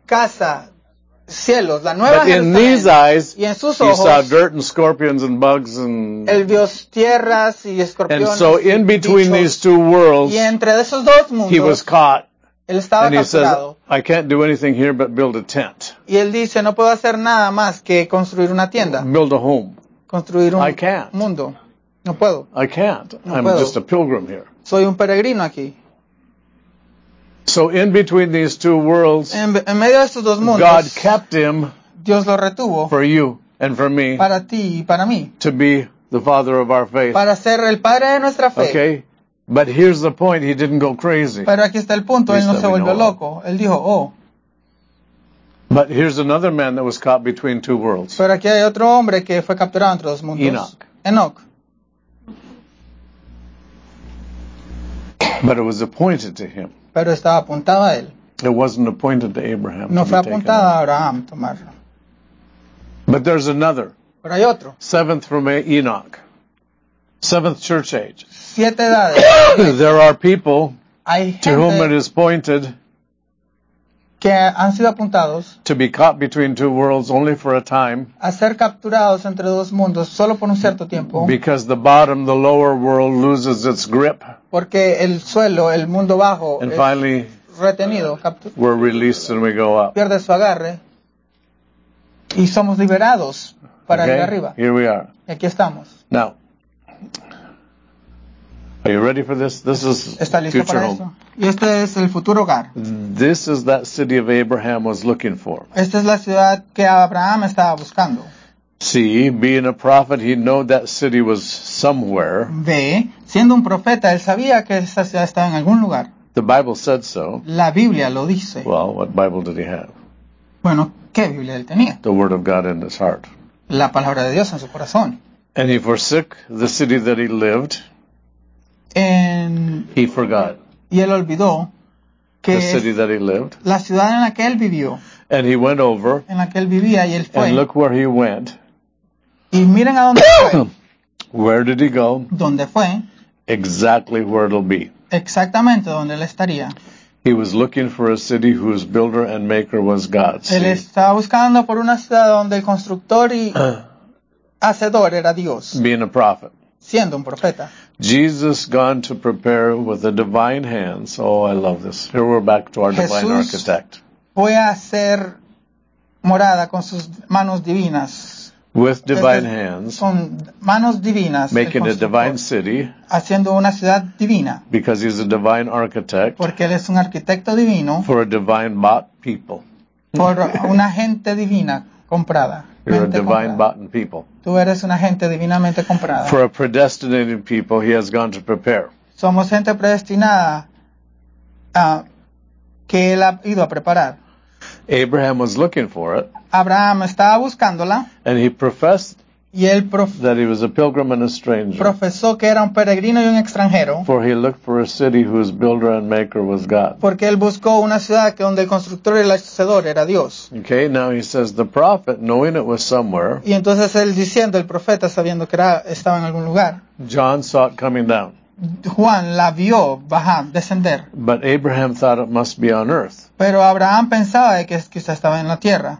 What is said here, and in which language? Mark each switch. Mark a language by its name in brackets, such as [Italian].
[Spanish] Casa, cielos, la nueva [English] Jerusalén. But in these eyes, [Spanish] y en sus ojos, [English] he saw dirt and scorpions and bugs and... [Spanish] Él vio tierras y escorpiones. [English] And so in between these two worlds, [Spanish] y entre esos dos mundos, [English] he was caught. [Spanish] Él estaba [English] and he [Spanish] capturado. [English] Says, I can't do anything here but build a tent. [Spanish] Y él dice, no puedo hacer nada más que construir una tienda. [English] Build a home. [Spanish] Construir un [English] I can't. [Spanish] Mundo. No puedo. [English] I can't. [Spanish] No [English] I'm [Spanish] puedo. [English] Just a pilgrim here. [Spanish] Soy un peregrino aquí. [English] So in between these two worlds, [Spanish] en medio de estos dos mundos, [English] God kept him [Spanish] Dios lo retuvo [English] for you and for me [Spanish] para ti y para mí [English] to be the father of our faith. [Spanish] Para ser el padre de nuestra fe. [English] Okay. But here's the point, he didn't go crazy. [Spanish] Pero aquí está el punto, él no se volvió loco. Él dijo, oh. [English] But here's another man that was caught between two worlds. [Spanish] Pero aquí hay otro hombre que fue capturado entre dos mundos. [English] Enoch. [Spanish] Enoch. [English] But it was appointed to him. [Spanish] Pero estaba apuntado a él. [English] It wasn't appointed to Abraham. [Spanish] No [English] to [Spanish] fue apuntado [English] taken. [Spanish] A Abraham tomarlo. [English] But there's another. [Spanish] Pero hay otro. [English] Seventh from Enoch. Seventh church age. [Spanish] Siete edades. [English] There are people [Spanish] hay [English] to whom it is pointed [Spanish] que han sido apuntados [English] to be caught between two worlds only for a time [Spanish] a ser capturados entre dos mundos solo por un cierto tiempo [English] because the bottom, the lower world loses its grip [Spanish] porque el suelo, el mundo bajo [English] and finally [Spanish] retenido, [English] we're released and we go up. [Spanish] Pierde su agarre y somos liberados para [English] okay, [Spanish] ir arriba. [English] Here we are. [Spanish] Y aquí estamos. [English] Now, are you ready for this? This is [Spanish] ¿está listo [English] future [Spanish] para [English] home. [Spanish] Y este es el futuro hogar. [English] This is that city of Abraham was looking for. [Spanish] Esta es la ciudad que Abraham estaba buscando. [English] See, being a prophet, he knew that city was somewhere. [Spanish] Ve, siendo un profeta, él sabía que esta ciudad estaba en algún lugar. [English] The Bible said so. [Spanish] La Biblia lo dice. [English] Well, what Bible did he have? [Spanish] Bueno, ¿qué Biblia él tenía? [English] The Word of God in his heart. [Spanish] La palabra de Dios en su corazón. [English] And he forsook the city that he lived. And he forgot. [Spanish] Y él olvidó que [English] the city that he lived. [Spanish] La ciudad en la que él vivió. [English] And he went over. [Spanish] En la que él vivía y él fue. [English] And look where he went. [Spanish] Y miren a dónde fue. [English] Where did he go? [Spanish] ¿Dónde fue? [English] Exactly where it'll be. [Spanish] Exactamente donde él estaría. [English] He was looking for a city whose builder and maker was God. [Spanish] Él [English] see? [Spanish] Estaba buscando por una ciudad donde el constructor y hacedor era Dios. [English] Being a prophet. [Spanish] Siendo un profeta. [English] Jesus gone to prepare with the divine hands. Oh, I love this. Here we're back to our [Spanish] Jesús [English] divine architect. [Spanish] Fue a hacer morada con sus manos divinas. [English] With divine [Spanish] desde, [English] hands. [Spanish] Con manos divinas. [English] Making a divine city. [Spanish] Haciendo una ciudad divina. [English] Because he's a divine architect. [Spanish] Porque él es un arquitecto divino. [English] For a divine bought people. [Spanish] Por una gente divina comprada. [English] You're a divine bought people. [Spanish] Tú eres una gente divinamente comprada. [English] For a predestinated people, he has gone to prepare. [Spanish] Somos gente predestinada que él ha ido a preparar. [English] Abraham was looking for it. [Spanish] Abraham estaba buscándola. [English] And he professed [Spanish] y él [English] that he was a pilgrim and a stranger. [Spanish] Profesó que era un peregrino y un extranjero. [English] For he looked for a city whose builder and maker was God. [Spanish] Porque él buscó una ciudad que donde el constructor y el hacedor era Dios. [English] Okay, now he says the prophet, knowing it was somewhere. [Spanish] Y entonces él diciendo el profeta sabiendo que era, estaba en algún lugar. [English] John saw it coming down. [Spanish] Juan la vio bajar, descender. [English] But Abraham thought it must be on earth. [Spanish] Pero Abraham pensaba que quizá estaba en la tierra.